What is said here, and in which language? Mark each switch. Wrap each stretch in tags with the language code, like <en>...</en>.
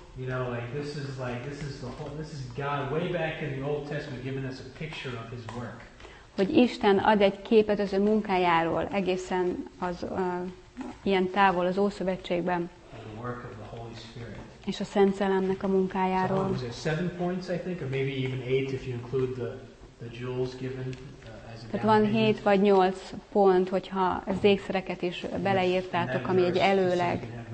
<en>You know, like this is like this is the whole, this is God way back in the Old Testament giving us a picture of His work.</en> <hu>Hogy Isten ad egy képet az ő munkájáról egészen az ilyen távol az Ószövetségben.</hu> <en>The work of the Holy Spirit.</en> <hu>És a Szent Szellemnek a munkájáról.</hu> <en>So, there's 7 points, I think, or maybe even 8 if you include the jewels given.</en> <hu>Tehát van 7 vagy 8 pont, hogyha az ékszereket is beleírtátok, ami egy előleg.</hu>